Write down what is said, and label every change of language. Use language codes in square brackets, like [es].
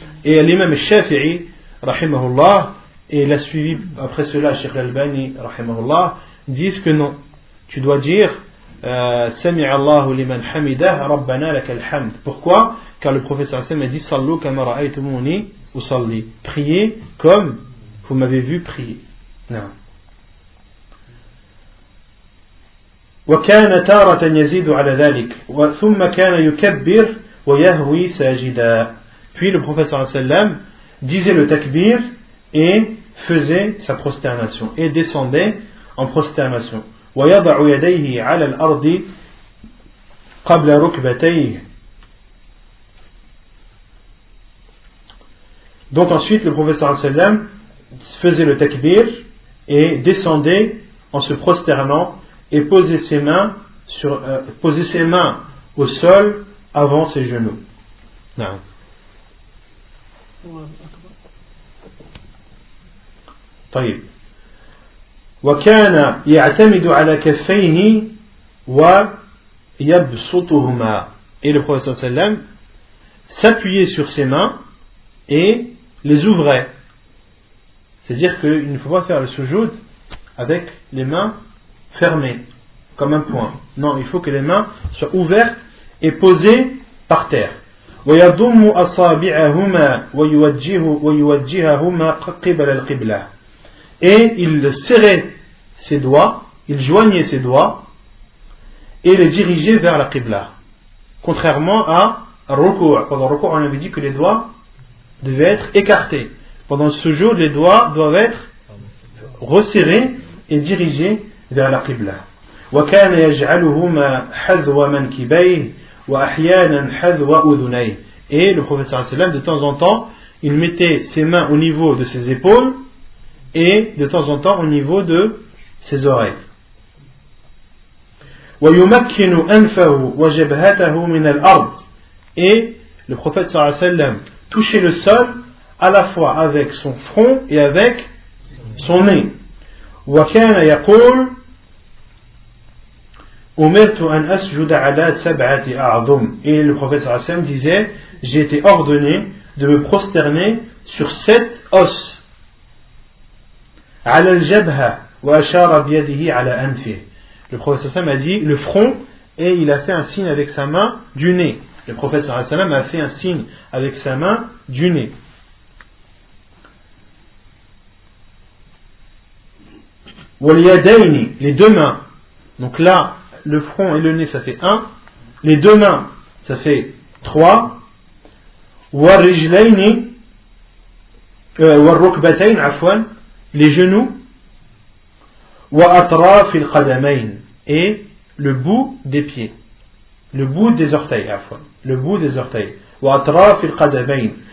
[fr] Et l'imam Shafi'i rahimahullah et l'a suivi après cela Cheikh Al-Albani rahimahullah disent que non, tu dois dire [ar] sami'a Allahu liman hamidah rabbana lakal hamd. [fr] Pourquoi? Car le prophète sallam a dit [ar] sallu kama ra'aytumuni usalli, [fr] priez comme vous m'avez vu prier. Non. [ar] وكان تارة يزيد على ذلك ثم كان يكبر ويهوي ساجدا. [fr] Puis le prophète sallallahu alayhi wa sallam disait le takbir et faisait sa prosternation et descendait en prosternation. [ar] ويضع يديه على الأرض قبل ركبتيه. [fr] Donc ensuite le prophète sallallahu alayhi wa sallam faisait le takbir et descendait en se prosternant et poser ses mains sur poser ses mains au sol avant ses genoux. Non. [ar] طيب. وكان يعتمد على كفيه ويبسطهما. [fr] Et le prophète sallallahu alayhi wa sallam s'appuyait sur ses mains et les ouvrait. C'est-à-dire qu'il ne faut pas faire le sujoud avec les mains fermées. Comme un point. Non, il faut que les mains soient ouvertes et posées par terre. [ar] وَيَضُمُّ أَصَابِعَهُمَا وَيُوَجِّهَهُمَا قِبَلَ الْقِبْلَةِ. [fr] Et il serrait ses doigts, il joignait ses doigts et les dirigeait vers la qibla. Contrairement à Ruku'. Pendant Ruku', on avait dit que les doigts devaient être écartés. Pendant ce jour, les doigts doivent être resserrés et dirigés vers la qibla. [ar] وكان يجعلهما حذو منكبيه واحيانا حذو اذنيه. [fr] Et le prophète صلى الله عليه وسلم de temps en temps il mettait ses mains au niveau de ses épaules et de temps en temps au niveau de ses oreilles. [ar] ويمكن انفه وجبهته من الارض. [fr] Et le prophète صلى الله عليه وسلم touchait le sol à la fois avec son front et avec son nez. [ar] وكان يقول أمرت أن أسجد على سبعة أعظم. [fr] Et le prophète Hassan disait, j'ai été ordonné de me prosterner sur sept os. [ar] على الجبهة وأشار بيده على أنفه. [fr] Le prophète Hassan a dit le front et il a fait un signe avec sa main du nez. Le prophète Hassan a fait un signe avec sa main du nez. واليدين, les deux mains. Donc là le front et le nez ça fait 1, les deux mains ça fait 3, [ar] warijlaini warukbatayn afwan, [fr] les genoux, [ar] wa atraf al qadamayn, [fr] et le bout des pieds, le bout des orteils afwan, le bout des orteils, wa atraf al qadamayn.